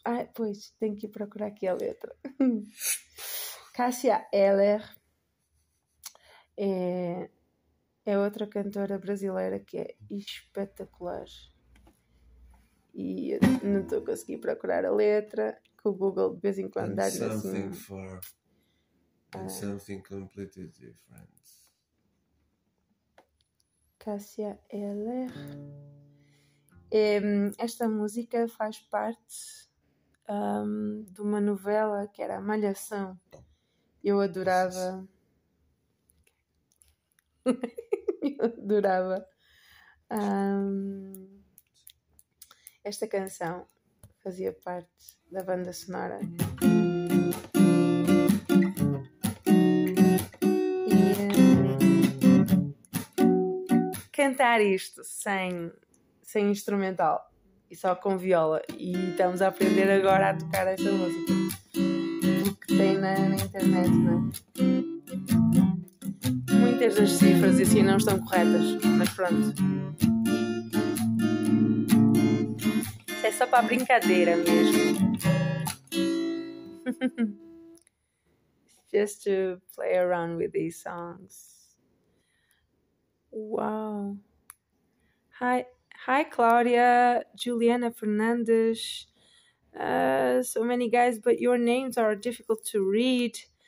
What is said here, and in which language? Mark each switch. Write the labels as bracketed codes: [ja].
[pt] Ah, pois, tenho que procurar aqui a letra. Cássia Eller é outra cantora brasileira que é espetacular. E não estou conseguindo procurar a letra, que o Google de vez em quando dá-lhe assim. [en] And something completely different. [pt] Cássia Eller. Esta música faz parte de uma novela que era Malhação. Eu adorava. Adorava. Esta canção fazia parte da banda sonora. Cantar isto sem instrumental e só com viola, e estamos a aprender agora a tocar esta música. O que tem na internet, não é? Muitas das cifras e assim não estão corretas, mas pronto. É só para a brincadeira mesmo. [en] Just to play around with these songs. Wow. Hi, Claudia, Juliana Fernandes. So many guys, but your names are difficult to read.